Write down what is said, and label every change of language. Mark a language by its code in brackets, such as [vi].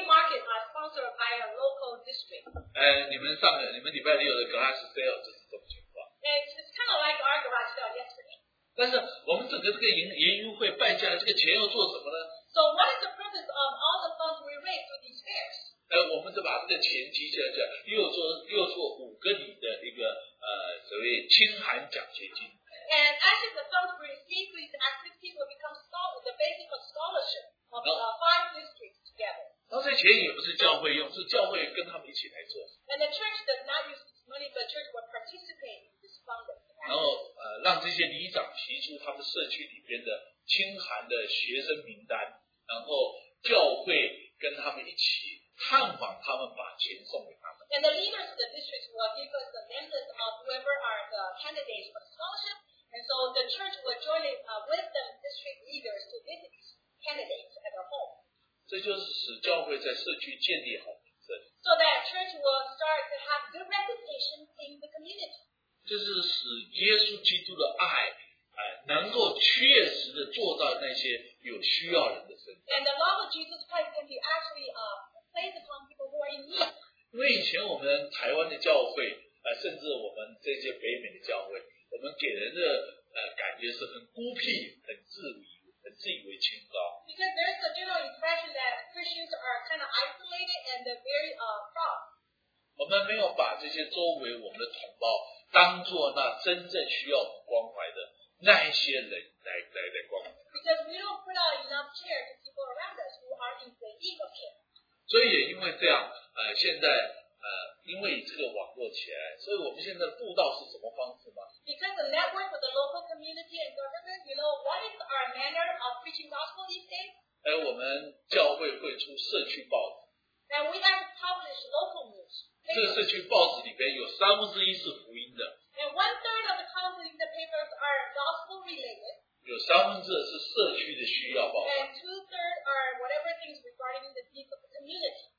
[en] The market are sponsored by a local district. [zh] 你们礼拜六的 garage sale 就是这种情况。 [en] It's kind of like our garage sale yesterday. [zh] 但是我们整个这个营会办下来，这个钱要做什么呢 [en] ？So what is the purpose of all the funds we raise for these fairs? [zh] 我们就把这个钱集结起来，又做五个里的一个。所谓清寒奖学金。 [en] And actually, the funds we receive for these activities will become the basic of scholarship of five districts together. [zh] 那这钱也不是教会用，是教会跟他们一起来做。 [en] And the church does not use this money, but church will participate in this funding. [zh] 然后让这些里长提出他们社区里边的清寒的学生名单，然后教会跟他们一起探访他们，把钱送给他们。 [en] And the leaders of the district will give us the members of whoever are the candidates for the scholarship. And so the church will join with the district leaders to visit these candidates at their home. [zh] 这就是使教会在社区建立好名声。 [en] So that church will start to have good reputation in the community. [zh] 这是使耶稣基督的爱能够确实的做到那些有需要人的身上。 [en] And the love of Jesus Christ can be actually placed upon people who are in need. [zh] 因为以前我们台湾的教会甚至我们这些北美的教会，我们给人的感觉是很孤僻，很自以为，很自以为清高。 [en] Because there's a general impression that Christians are kind of isolated and very proud. [zh] 我们没有把这些周围我们的同胞当作那真正需要关怀的那一些人来关怀。 [en] Because we don't put out enough care to people around us who are in the need of care. [zh] 所以也因为这样，现在。因为这个网络起来，所以我们现在的布道是什么方式吗？ [en] Because the network of the local community and government, you know, what is our manner of preaching gospel these days? [zh] 我们教会会出社区报纸。 [en] And we have published local news. [zh] 这个社区报纸里边有三分之一是福音的。 [en] And one third of the columns in the papers are gospel related. [zh] 有三分之二是社区的需要报纸。 [en] And two thirds are whatever things regarding the needs of the community.